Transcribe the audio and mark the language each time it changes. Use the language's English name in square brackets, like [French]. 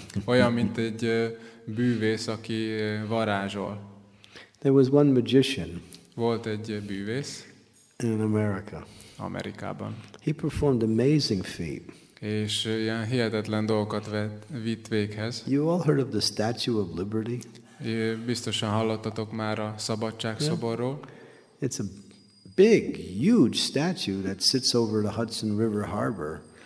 [Hungarian] Olyan, mint egy bűvész, aki varázsol. [English] There was one magician. [Hungarian] Volt egy bűvész. [English] In America. [Hungarian] Amerikában. [English] He performed amazing feat. [Hungarian] És ilyen hihetetlen dolgokat vitt véghez. [English] You all heard of the Statue of Liberty? [Hungarian] Biztosan hallottatok már a szabadságszoborról. [English] It's a big, huge statue that sits over the Hudson River Harbor.